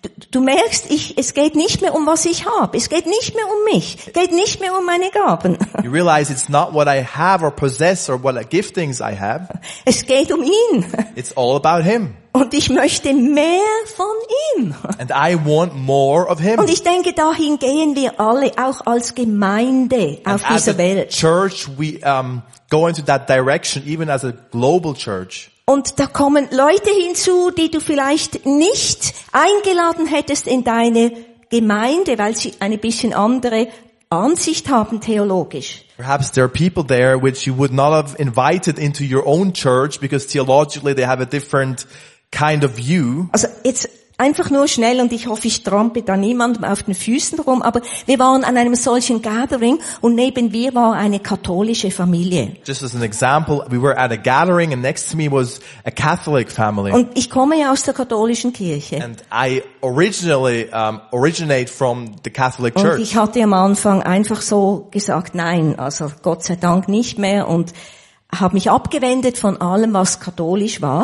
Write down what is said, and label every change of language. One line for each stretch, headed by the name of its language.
German: Du merkst, es geht nicht mehr um was ich habe. Es geht nicht mehr um mich. Es geht nicht mehr um meine Gaben.
English: You realize it's not what I have or possess or what giftings I have.
German: Es geht um ihn.
English: It's all about him.
German: Und ich möchte mehr von ihm.
English: And I want more of him.
German: Und ich denke, dahin gehen wir alle, auch als Gemeinde auf dieser Welt.
English: As a church, we go into that direction, even as a global church.
German: Und da kommen Leute hinzu, die du vielleicht nicht eingeladen hättest in deine Gemeinde, weil sie eine bisschen andere Ansicht haben theologisch.
English: Perhaps there are people there which you would not have invited into your own church because theologically they have a different kind of view.
German: Also jetzt einfach nur schnell und ich hoffe, ich trampe da niemandem auf den Füßen rum, aber wir waren an einem solchen Gathering und neben mir war eine katholische Familie.
English: Just as an example, we were at a gathering and next to me was a Catholic family.
German: Und ich komme ja aus der katholischen Kirche.
English: And I originate from the Catholic Church.
German: Und ich hatte am Anfang einfach so gesagt, nein, also Gott sei Dank nicht mehr und habe mich abgewendet von allem, was katholisch war.